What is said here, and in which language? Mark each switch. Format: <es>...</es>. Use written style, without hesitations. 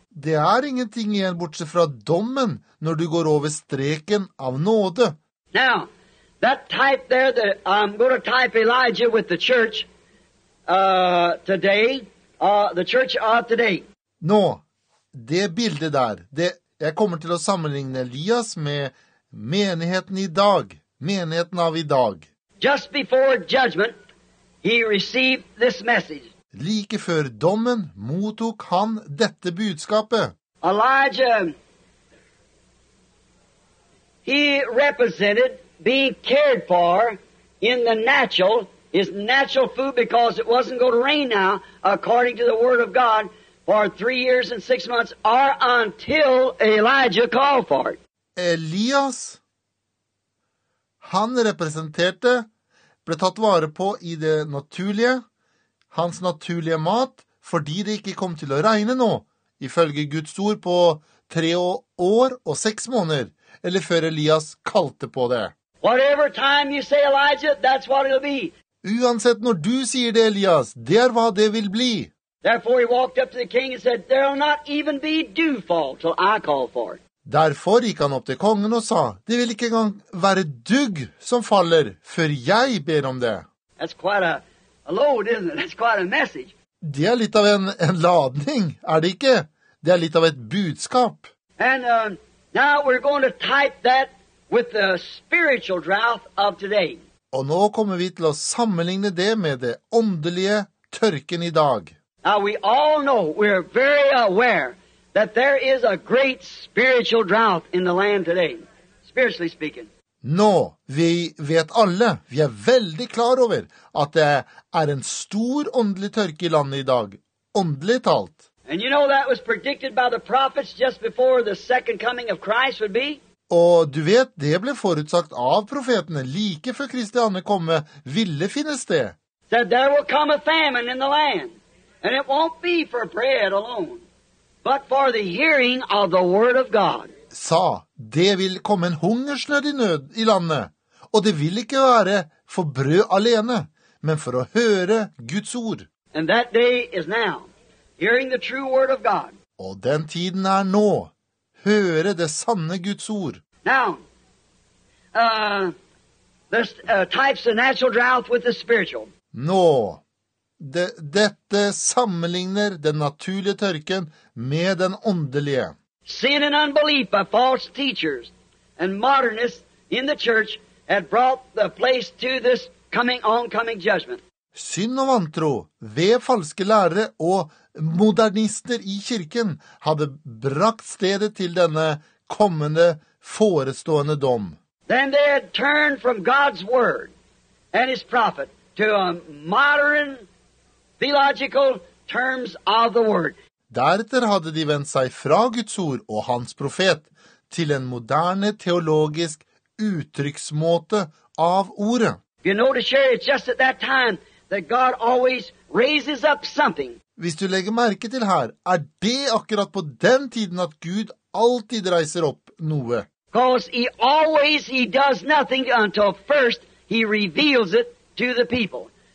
<no>Det ingenting igjen bortsett fra dommen når du går over streken av nåde.</no> <en>Now, that type there that I'm going to type Elijah with the church today, the church of today.</en> <no>Nå, det bildet der, det, jeg kommer til å sammenligne Elias med menigheten i dag, menigheten av i dag.</no> <en>Just before judgment, he received this message.</en> <no>Like før dommen mottok han dette budskapet.</no> <en>Elijah, he represented being cared for in the natural, his natural food, because it wasn't going to rain now, according to the word of God, for 3 years and 6 months, or until Elijah called for it.</en> <no>Elias, han representerte, ble tatt vare på i det naturlige, hans naturlige mat, fordi det ikke kom til å regne nå, ifølge Guds ord på 3 år og 6 måneder, eller før Elias kalte på det.</no> <en>Whatever time you say Elijah, that's what it'll be.</en> <no>Uansett når du sier det, Elias, det er hva det vil bli.</no> <en>Therefore he walked up to the king and said, there'll not even be dewfall till I call for it.</en> <no>Derfor gikk han opp til kongen og sa, det vil ikke engang være dugg som faller før jeg ber om det.</no> <en>That's quite a load, isn't it? That's quite a message.</en> <no>Det er litt av en ladning, er det ikke? Det er litt av et budskap.</no> <en>And now we're going to type that with the spiritual drought of today.</en> <no>Og nå kommer vi til å sammenligne det med det åndelige tørken i dag.</no> <en>Now we all know, we're very aware that there is a great spiritual drought in the land today, spiritually speaking.</en> <no>Nå, vi vet alle, vi er veldig klar over at det er en stor åndelig tørke i landet i dag, åndelig talt.</no> <en>And you know that was predicted by the prophets just before the second coming of Christ would be?</en> <no>Og du vet, det ble forutsagt av profetene like før Kristi andre komme, ville finnes det.</no> <en>That there will come a famine in the land, and it won't be for bread alone, but for the hearing of the word of God.</en> <no>Sa, det vil komme en hungersnød i nød i landet, og det vil ikke være for brød alene, men for å høre Guds ord.</no> <en>And that day is now, hearing the true word of God.</en> <no>Og den tiden er nå, høre det sanne Guds ord.</no> <en>Now, there's types of natural drought with the spiritual.</en> <no>Nå. Dette sammenligner den naturlige tørken med den åndelige.</no> <en>Sin and unbelief by false teachers and modernists in the church had brought the place to this coming oncoming judgment.</en> <no>Synd og vantro ved falske lærere og modernister i kirken hadde brakt stedet til denne kommende forestående dom.</no> <en>Then they had turned from God's word and his prophet to a modern theological terms of the word.</en> <no>Deretter hadde de vendt seg fra Guds ord og hans profet til en moderne teologisk uttrykksmåte av ordet.</no> <en>You notice here, it's just at that time that God always raises up something.</en> <no>Hvis du legger merke til her, er det akkurat på den tiden at Gud alltid reiser opp noe.</no> <en>Because he always, he does nothing until first he reveals it to the people.</en>